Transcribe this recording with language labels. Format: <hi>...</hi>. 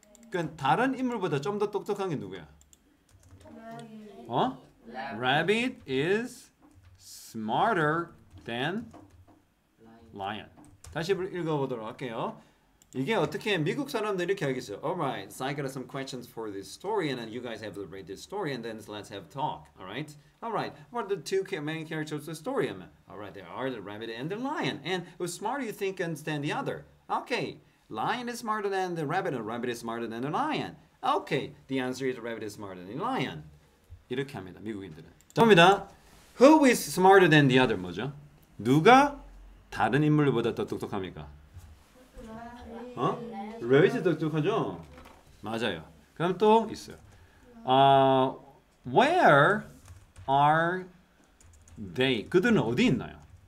<ko>그러니까 다른 인물보다 좀 더 똑똑한 게 누구야?</ko> <en>어? Rabbit is smarter than lion.</en> <ko>다시 읽어보도록 할게요. 이게 어떻게 미국 사람들이 이렇게 하겠어요.</ko> <en>Alright, so I got some questions for this story and then you guys have to read this story and then let's have talk. Alright? Alright, what are the two main characters of the story? Alright, there are the rabbit and the lion. And who's smarter you think than the other? Okay, lion is smarter than the rabbit and rabbit is smarter than the lion. Okay, the answer is the rabbit is smarter than the lion.</en> <ko>이렇게 합니다, 미국인들은. 좋습니다.</ko> <en>Who is smarter than the other?</en> <ko>뭐죠? 누가 다른 인물보다 더 똑똑합니까? 어? 레빗이 똑똑하죠? 맞아요. 그럼 또 있어요.</ko> <en>Where are they?</en> <ko>그들은 어디 있나요?</ko>